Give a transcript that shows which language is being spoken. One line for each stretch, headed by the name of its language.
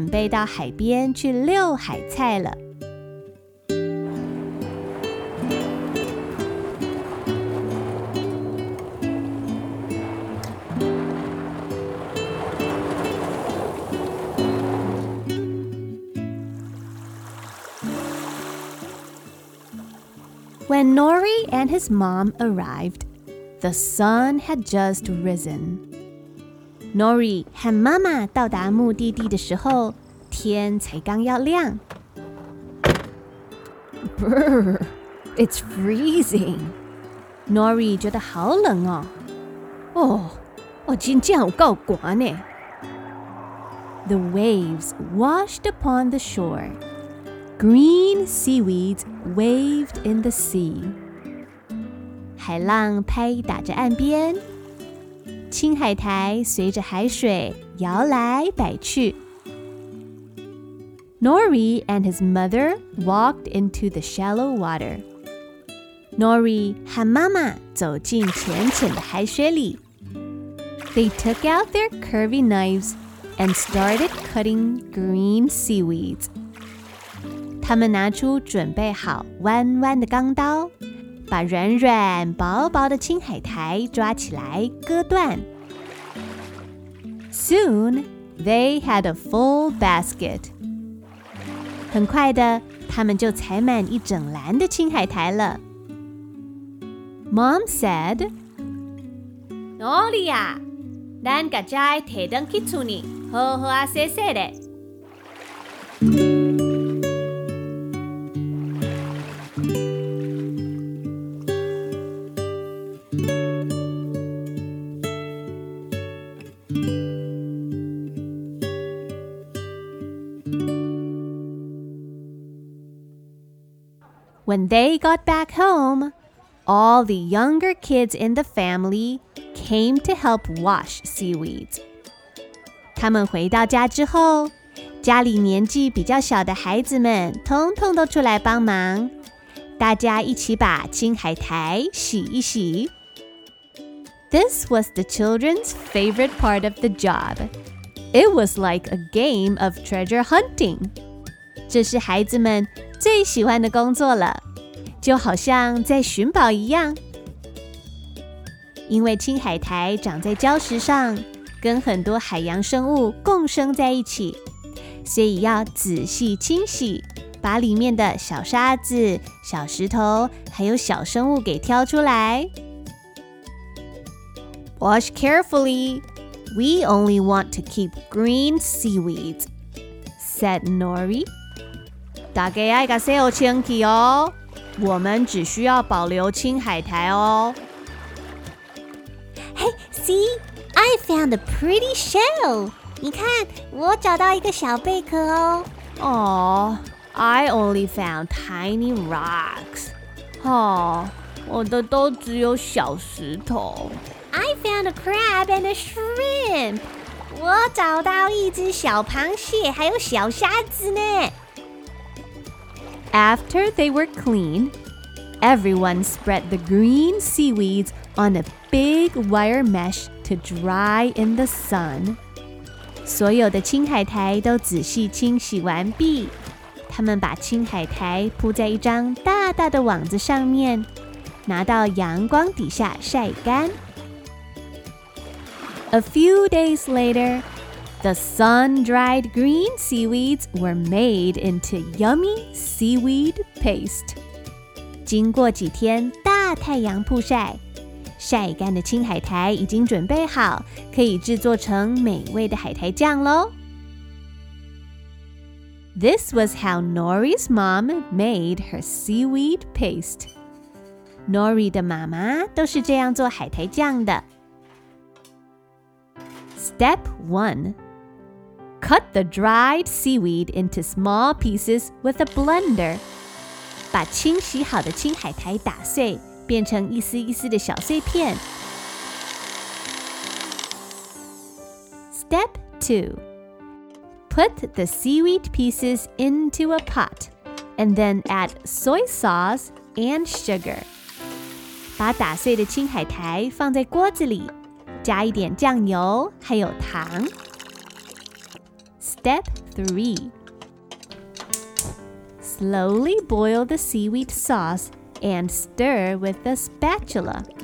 English: Then, they headed to the When Nori and his mom arrived, the sun had just risen.
Chinese: Nori 和妈妈到达目的地的时候，天才刚要亮。
English: Brr, it's freezing.
Chinese: Nori 觉得好冷哦。哦，今天有够寒呢。
English: The waves washed upon the shore. Green seaweeds waved in the sea.
Chinese: 海浪拍打着岸边，青海苔随着海水摇来摆去。
English: Nori and his mother walked into the shallow water.
Chinese: Nori 和妈妈走进浅浅的海水里。
English: They took out their curvy knives and started cutting green seaweeds.
Chinese: 他们拿出准备好弯弯的钢刀，把软软薄薄的青海苔抓起来割断。
English: Soon, they had a full basket.
Chinese: 很快的，他们就采满一整篮的青海苔了。
English: Mom said,
Chinese: Nori 啊，咱把这些提回去家里，好好啊洗洗的。
English: When they got back home, all the younger kids in the family came to help wash seaweeds.
Chinese: 他们回到家之后，家里年纪比较小的孩子们通通都出来帮忙，大家一起把青海苔洗一洗。
English: This was the children's favorite part of the job. It was like a game of treasure hunting.
Chinese: 这是孩子们最喜欢的工作了。就好像在寻宝一样，因为青海苔长在礁石上，跟很多海洋生物共生在一起，所以要仔细清洗，把里面的小沙子、小石头还有小生物给挑出来。
English: Wash carefully. We only want to keep green seaweeds, said Nori.
Chinese: 大家要把洗好清洗哦。我们只需要保留青海苔哦。
English: Hey, see, I found a pretty shell.
Chinese: 你看，我找到一个小贝壳哦。
English: Oh, I only found tiny rocks.
Chinese: 哦，我的都只有小石头。
English: I found a crab and a shrimp.
Chinese: 我找到一只小螃蟹，还有小虾子呢。
English: After they were clean, everyone spread the green seaweeds on a big wire mesh to dry in the sun.
Chinese: 所有的青海苔都仔细清洗完毕，他们把青海苔铺在一张大大的网子上面，拿到阳光底下晒干。
English: A few days later,The sun-dried green seaweeds were made into yummy seaweed paste.
Chinese: 经过几天大太阳曝晒，晒干的青海苔已经准备好，可以制作成美味的海苔酱咯。
English: This was how Nori's mom made her seaweed paste.
Chinese: Nori 的妈妈都是这样做海苔酱的。
English: Step 1. Cut the dried seaweed into small pieces with a blender.
Chinese: 把清洗好的青海苔打碎，变成一丝一丝的小碎片。
English: Step 2. Put the seaweed pieces into a pot, and then add soy sauce and sugar.
Chinese: 把打碎的青海苔放在锅子里，加一点酱油还有糖。
English: Step 3. Slowly boil the seaweed sauce and stir with a spatula.